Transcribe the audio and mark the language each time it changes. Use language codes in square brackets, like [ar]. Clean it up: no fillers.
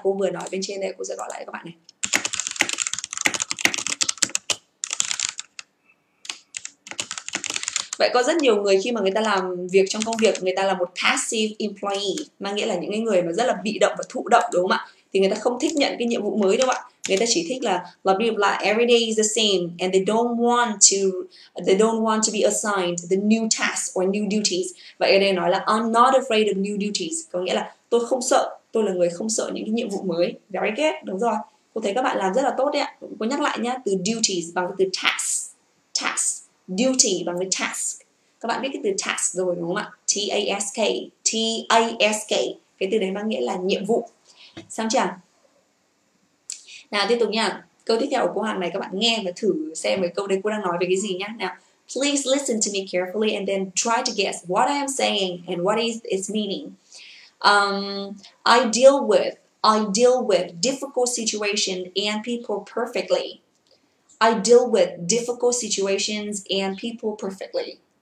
[vi] Cô vừa nói bên trên đây, cô sẽ gọi lại các bạn này. Vậy có rất nhiều người khi mà người ta làm việc trong công việc, người ta là một passive employee, mang nghĩa là những người mà rất là bị động và thụ động, đúng không ạ? Thì người ta không thích nhận cái nhiệm vụ mới đâu ạ. Người ta chỉ thích là [en] blah blah blah, every day is the same and they don't want to be assigned the new tasks or new duties. [vi] Vậy ở đây nói là [en] I'm not afraid of new duties, [vi] có nghĩa là tôi không sợ, tôi là người không sợ những cái nhiệm vụ mới. [en] Very good, [vi] đúng rồi. Cô thấy các bạn làm rất là tốt đấy ạ. Cô nhắc lại nhá, từ duties bằng từ task. Task. Duty bằng với task. Các bạn biết cái từ task rồi đúng không ạ? T-A-S-K. T-A-S-K. Cái từ đấy mang nghĩa là nhiệm vụ. Xong chưa? Nào tiếp tục nha. Câu tiếp theo của cô Hằng này các bạn nghe và thử xem cái câu đấy cô đang nói về cái gì nhá. [en] Nào, please listen to me carefully and then try to guess what I am saying and what is its meaning. I deal with difficult situation and people perfectly. I deal with difficult situations and people perfectly.